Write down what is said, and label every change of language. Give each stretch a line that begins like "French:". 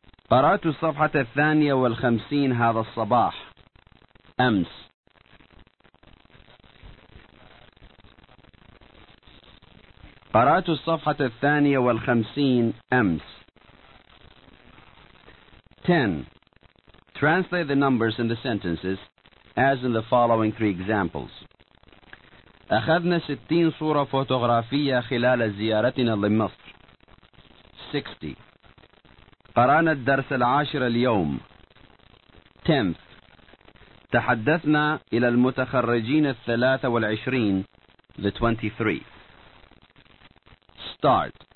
Arabic: قرأت الصفحة الثانية والخمسين هذا الصباح. أمس. قرأت الصفحة الثانية والخمسين أمس.
English: 10. Translate the numbers in the sentences as in the following three examples.
Arabic: أخذنا 60 صورة فوتوغرافية خلال زيارتنا لمصر.
English: 60.
Arabic: قرأنا الدرس العاشر اليوم. 10. تحدثنا إلى المتخرجين 23.
English: The 23. Start.